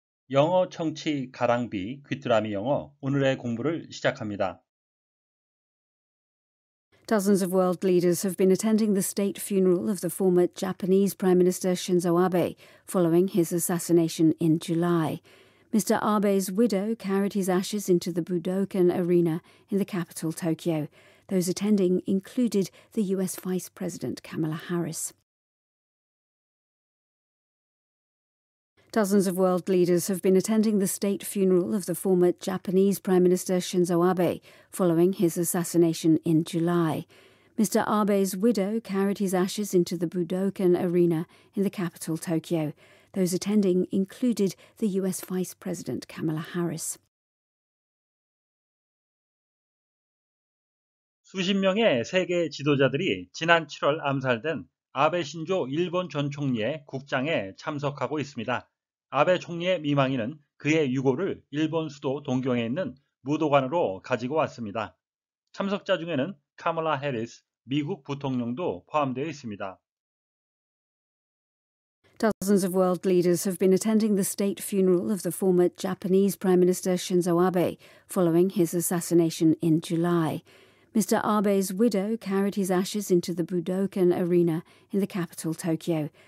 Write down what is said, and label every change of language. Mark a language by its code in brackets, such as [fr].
[ko] 영어 청취 가랑비 귀뚜라미 영어 오늘의 공부를 시작합니다. [en] Dozens of world leaders have been attending the state funeral of the former Japanese Prime Minister Shinzo Abe following his assassination in July. Mr. Abe's widow carried his ashes into the Budokan Arena in the capital, Tokyo. Those attending included the US Vice President Kamala Harris. Dozens of world leaders have been attending the state funeral of the former Japanese Prime Minister Shinzo Abe following his assassination in July. Mr. Abe's widow carried his ashes into the Budokan Arena in the capital, Tokyo. Those attending included the US Vice President Kamala Harris. [ko] 수십 명의 세계 지도자들이 지난 7월 암살된 아베 신조 일본 전 총리의 국장에 참석하고 있습니다. 아베 총리의 미망인은 그의 유고를 일본 수도 동경에 있는 무도관으로 가지고 왔습니다. 참석자 중에는 카멀라 해리스 미국 부통령도 포함되어 있습니다. [en] Dozens of world leaders have been attending the state funeral of the former Japanese Prime Minister Shinzo Abe following his assassination in July. Mr. Abe's widow carried his ashes into the Budokan Arena in the capital, Tokyo.